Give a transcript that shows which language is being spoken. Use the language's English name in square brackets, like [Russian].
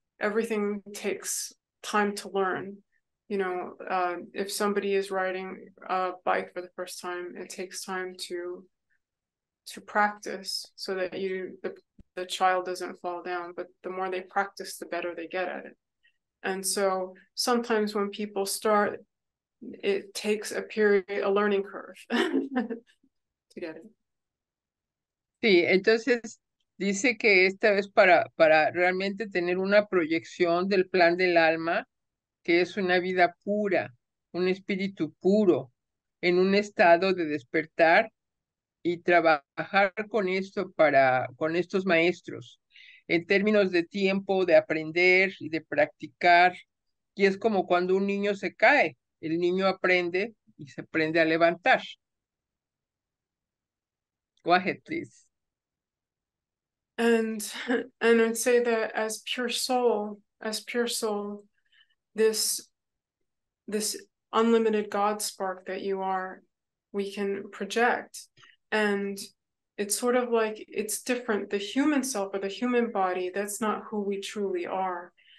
[English] Everything takes time to learn. You know, if somebody is riding a bike for the first time, it takes time to practice so that the child doesn't fall down. But the more they practice, the better they get at it. And so sometimes when people start, it takes a period, a learning curve to get it. [Spanish] Sí, entonces dice que esta es para realmente tener una proyección del plan del alma, que es una vida pura, un espíritu puro, en un estado de despertar y trabajar con esto con estos maestros. En términos de tiempo, de aprender y de practicar, y es como cuando un niño se cae, el niño aprende y se aprende a levantar. [English] Go ahead, please. And I'd say that as pure soul, this unlimited God spark that you are, we can project. And it's sort of like, it's different. The human self or the human body, that's not who we truly are.